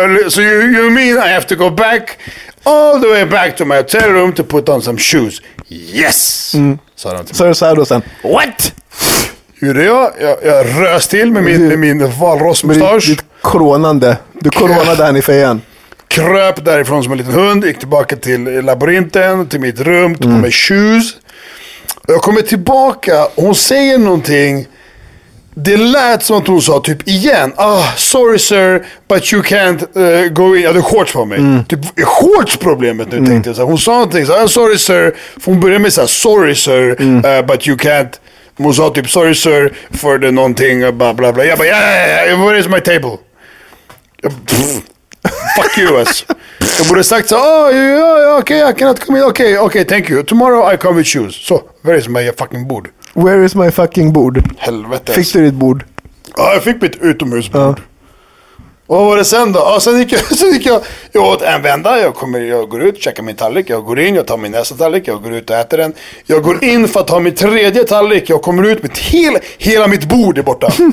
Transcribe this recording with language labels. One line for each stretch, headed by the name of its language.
English: So you mean I have to go back all the way back to my hotel room to put on some shoes? Yes. So, what?
Swedish: Gjorde jag? Jag rös till med min valrossmustasch. Ditt kronande. Du kronade här i fejan. Kröp därifrån som en liten hund. Gick tillbaka till labyrinten, till mitt rum, tog på mig shoes. Jag kommer tillbaka. Hon säger någonting. det lät som att hon sa typ igen, ah,
English: sorry sir, but you can't go in.
Swedish: Ja, det är shorts på mig. Typ, är shorts problemet nu, tänkte jag. Så hon sa någonting, så, ah,
English: sorry sir.
Swedish: För hon började med så här,
English: sorry sir, but you can't.
Swedish: Hon sa typ,
English: sorry sir, for the
Swedish: någonting, bla bla bla. Jag bara,
English: yeah, where is my table? Fuck you, ass.
Swedish: Jag borde sagt så,
English: oh, yeah, yeah, okay, I cannot come in. Okay, okay, thank you. Tomorrow I come with shoes. So, where is my fucking board? Where is my fucking board?
Swedish: Helvete. Fick du ditt bord? Ja, jag fick mitt utomhusbord. Och vad var det sen då? Ja, sen gick jag åt en vända. Jag går ut, checkar min tallrik. Jag går in, jag tar min nästa tallrik. Jag går ut och äter den. Jag går in för att ta min tredje tallrik. Jag kommer ut med hela mitt bord är borta.